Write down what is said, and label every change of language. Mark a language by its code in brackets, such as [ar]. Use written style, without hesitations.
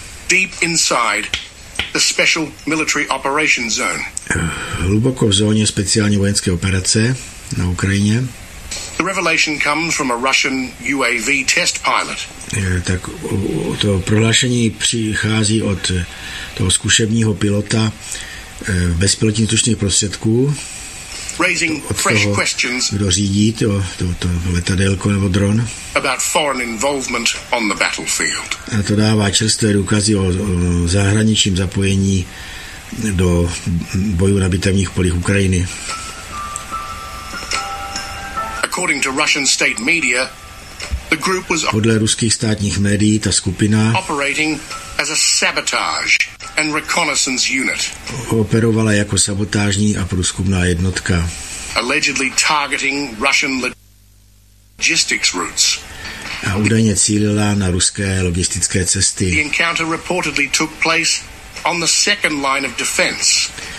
[en] Deep inside the special military operation zone. [cs] Hluboko v zóně speciální vojenské operace na Ukrajině. [en] The revelation comes from a Russian UAV test pilot. [cs] Tak to prohlášení přichází od toho zkušebního pilota bezpilotních tučných prostředků. [en] Raising fresh questions. [cs] Kdo řídí to letadélko nebo dron? [en] About foreign involvement on the battlefield. [cs] A to dává čerstvé důkazy o zahraničním zapojení do bojů na bitevních polích Ukrajiny. [en] According to Russian state media, the group was [cs] podle ruských státních médií ta skupina [en] operating as a sabotage and reconnaissance unit. [cs] Operovala jako sabotážní a průzkumná jednotka. [en] Allegedly targeting Russian logistics routes. [cs] A údajně cílila na ruské logistické cesty. [en] The encounter reportedly took place on the second line of defense.